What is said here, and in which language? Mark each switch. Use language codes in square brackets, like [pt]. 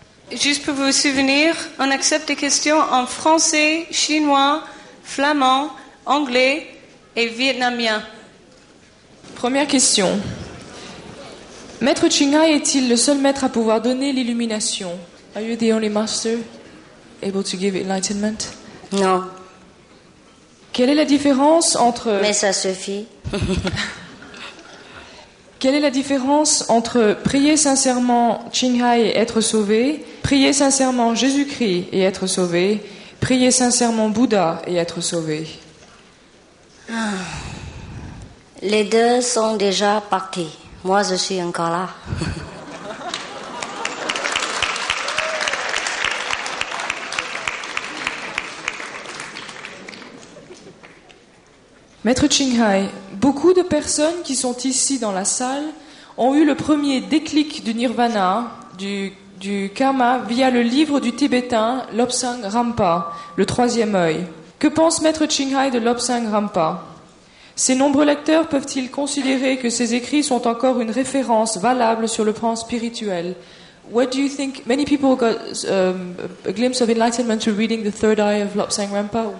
[fr] Juste pour vous souvenir, on accepte des questions en français, chinois, flamand, anglais et vietnamien. Première question. Maître Chinghai est-il le seul maître à pouvoir donner l'illumination? [en] Are you the only master able to give enlightenment? [fr] Non. Quelle est la différence entre... Mais ça suffit. Quelle est la différence entre prier sincèrement Chinghai et être sauvé, prier sincèrement Jésus-Christ et être sauvé, prier sincèrement Bouddha et être sauvé? Les deux sont déjà partis. Moi, je suis encore là. Maître Chinghai, beaucoup de personnes qui sont ici dans la salle ont eu le premier déclic du nirvana, du karma, via le livre du Tibétain Lobsang Rampa, le troisième œil. Que pense Maître Chinghai de Lobsang Rampa? Ces nombreux lecteurs peuvent-ils considérer que ces écrits sont encore une référence valable sur le plan spirituel? [en] What do you think? Many people got a glimpse of enlightenment through reading the third eye of Lobsang Rampa.